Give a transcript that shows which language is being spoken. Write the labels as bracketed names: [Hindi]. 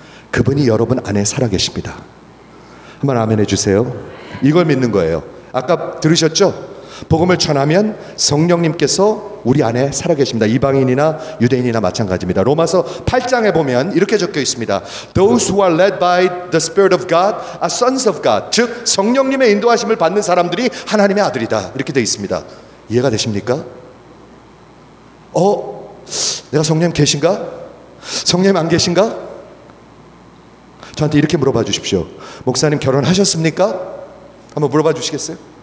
[Korean] 그분이 여러분 안에 살아계십니다. 한번 아멘 해주세요. 이걸 믿는 거예요. 아까 들으셨죠? 복음을 전하면 성령님께서 우리 안에 살아계십니다. 이방인이나 유대인이나 마찬가지입니다. 로마서 8장에 보면 이렇게 적혀 있습니다. [English] Those who are led by the Spirit of God are sons of God. [Korean] 즉 성령님의 인도하심을 받는 사람들이 하나님의 아들이다. 이렇게 되어 있습니다. 이해가 되십니까? 내가 성령님 계신가? 성령님 안 계신가? 저한테 이렇게 물어봐 주십시오. 목사님 결혼하셨습니까? 한번 물어봐 주시겠어요?